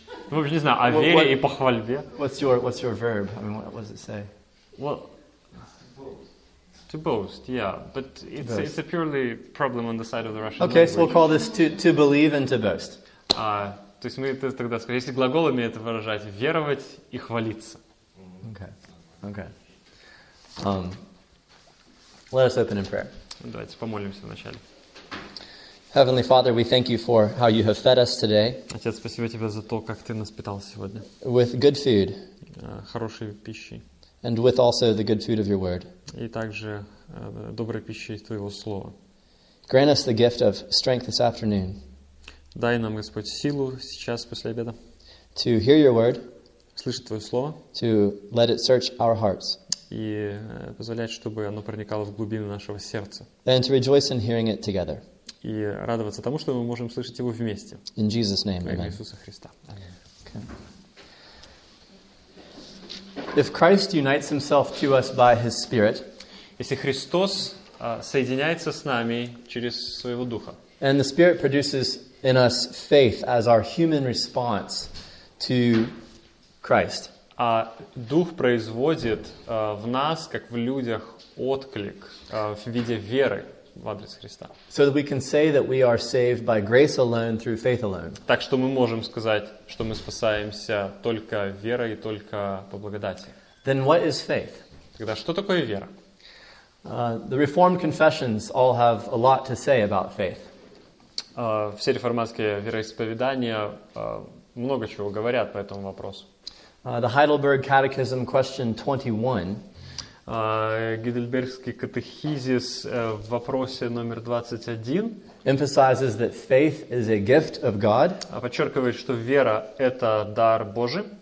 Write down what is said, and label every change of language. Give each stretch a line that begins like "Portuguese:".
Russian: В общем, не знаю, о вере и похвальбе.
English: What's your verb? I mean, what does it say? Well, to boast, yeah, but it's a purely problem on the side of the Russian language. Okay, so we'll call this to believe and to boast.
Russian: То есть мы тогда скажем, если глаголами это выражать, веровать и хвалиться.
English: Okay. Let us open in prayer.
Russian: Давайте помолимся вначале.
English: Heavenly Father, we thank you for how you have fed us today.
Russian: Отец, спасибо тебе за то, как ты нас питал сегодня.
English: With good food.
Russian: Хорошей пищей.
English: And with also the good food of your word.
Russian: И также доброй пищей твоего слова.
English: Grant us the gift of strength this afternoon.
Russian: Дай нам, Господь, силу сейчас после обеда.
English: To hear your word.
Russian: Слышать твое слово.
English: To let it search our hearts.
Russian: И позволять, чтобы оно проникало в глубины нашего сердца.
English: And to rejoice in hearing it together.
Russian: И радоваться тому, что мы можем слышать его вместе.
English: In Jesus' name, amen.
Russian: Во имя Иисуса Христа.
English: If Christ unites himself to us by his Spirit,
Russian: если Христос соединяется с нами через своего Духа,
English: and the Spirit produces in us faith as our human response to Christ,
Russian: а Дух производит в нас, как в людях, отклик в виде веры в адрес Христа,
English: so that we can say that we are saved by grace alone through faith alone.
Russian: Так что мы можем сказать, что мы спасаемся только верой и только по благодати.
English: Then what is faith?
Russian: Тогда что такое вера?
English: The Reformed confessions all have a lot to say about faith.
Russian: Все реформатские вероисповедания много чего говорят по этому вопросу.
English: The Heidelberg Catechism, question 21.
Russian: Гейдельбергский катехизис в вопросе номер 21
English: emphasizes that faith is a gift of God,
Russian: подчеркивает, что вера — это дар Божий,